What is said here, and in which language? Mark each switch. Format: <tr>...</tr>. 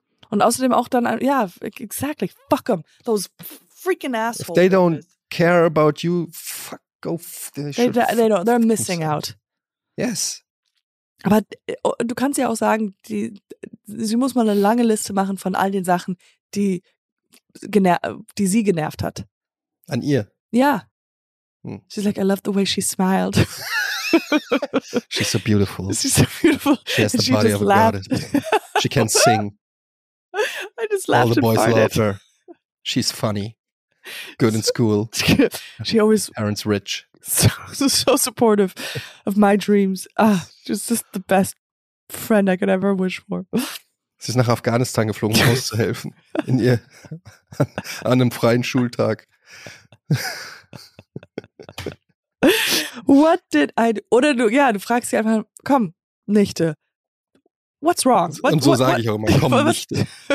<de>Und außerdem auch dann, ja,</de> <en>exactly. Fuck them. Those freaking assholes. If they don't care about you, fuck, go. They don't. They're missing out. Yes.</en> <de>Aber du kannst ja auch sagen, sie muss mal eine lange Liste machen von all den Sachen, die sie genervt hat. An ihr? Ja.</de> <en>She's like, I love the way she smiled. She's so beautiful. She's so beautiful. She has the body of a goddess. She can sing. I just laughed. All the boys loved her. She's funny. Good in school. She always. Parents rich. So supportive of my dreams. Ah, she's just the best friend I could ever wish for.</en> <de>Sie ist nach Afghanistan geflogen, um uns zu helfen. In ihr. An einem freien Schultag.</de> <en>What did I do?</en> <de>Oder du fragst sie einfach, komm, Nichte.</de> <en>What's wrong?</en> <de>Und so sage ich auch immer, komm, Nichte.</de>